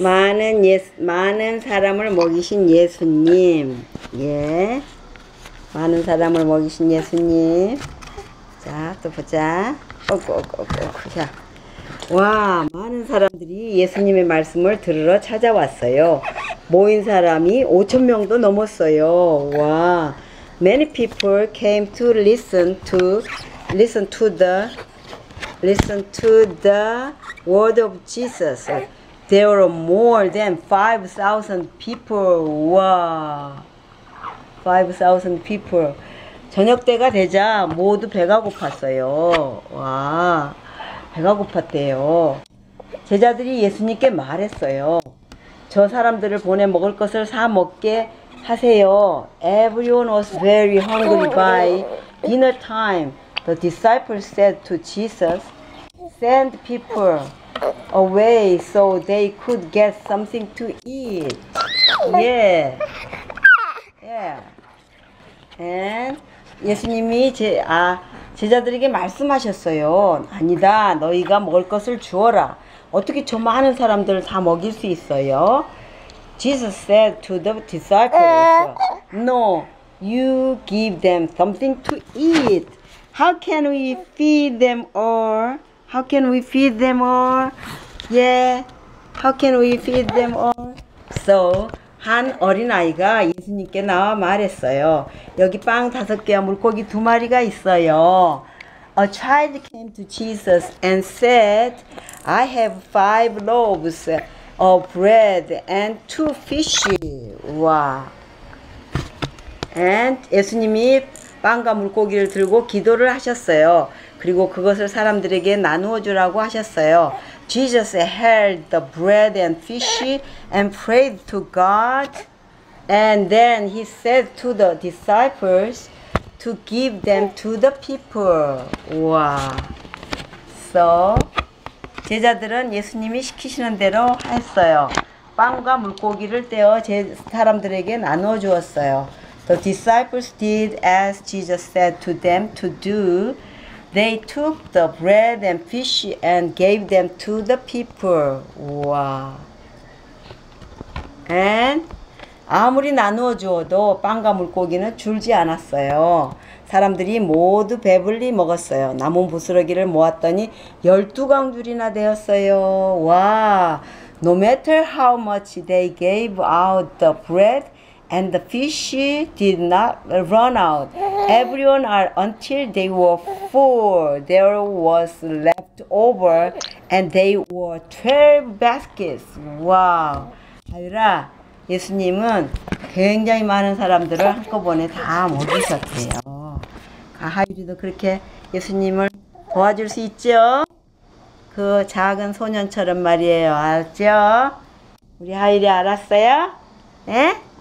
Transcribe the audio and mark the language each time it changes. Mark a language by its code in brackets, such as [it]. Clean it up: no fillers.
[ko] 많은 사람을 먹이신 예수님. 예. 많은 사람을 먹이신 예수님. 자, 또 보자. 자. 와, 많은 사람들이 예수님의 말씀을 들으러 찾아왔어요. 모인 사람이 5,000명도 넘었어요. [en] 와, many people came to listen to the word of Jesus. There were more than 5,000 people. 와, 5,000 people. [ko] 저녁 때가 되자 모두 배가 고팠어요. 와, 배가 고팠대요. 제자들이 예수님께 말했어요. 저 사람들을 보내 먹을 것을 사 먹게 하세요. [en] Everyone was very hungry by dinner time. The disciples said to Jesus, "Send people away so they could get something to eat." Yeah. Yeah. [ko] And 예수님이 제자들에게 말씀하셨어요. 아니다. 너희가 먹을 것을 주어라. 어떻게 저 많은 사람들을 다 먹일 수 있어요? [en] Jesus said to the disciples, "No, you give them something to eat. How can we feed them all? How can we feed them all? Yeah, how can we feed them all?" [ko] So, 한 어린아이가 예수님께 나와 말했어요. 여기 빵 다섯 개와 물고기 두 마리가 있어요. [en] A child came to Jesus and said, "I have 5 loaves of bread and 2 fishes." [ko] 와. And 예수님이 빵과 물고기를 들고 기도를 하셨어요. 그리고 그것을 사람들에게 나누어 주라고 하셨어요. [en] Jesus held the bread and fish and prayed to God. And then he said to the disciples to give them to the people. [ko] 와. So, 제자들은 예수님이 시키시는 대로 했어요. 빵과 물고기를 떼어 제 사람들에게 나누어 주었어요. [en] The disciples did as Jesus said to them to do. They took the bread and fish and gave them to the people. [ko] 와. And 아무리 나누어 주어도 빵과 물고기는 줄지 않았어요. 사람들이 모두 배불리 먹었어요. 남은 부스러기를 모았더니 12광줄이나 되었어요. [en] 와, no matter how much they gave out, the bread and the fish did not run out. Everyone ate until they were full. There was left over and they were 12 baskets. [ko] 와, 자유라, 예수님은 굉장히 많은 사람들을 한꺼번에 다 먹이셨대요. 하율이도 그렇게 예수님을 도와줄 수 있죠? 그 작은 소년처럼 말이에요. 알았죠? 우리 하율이 알았어요? 네?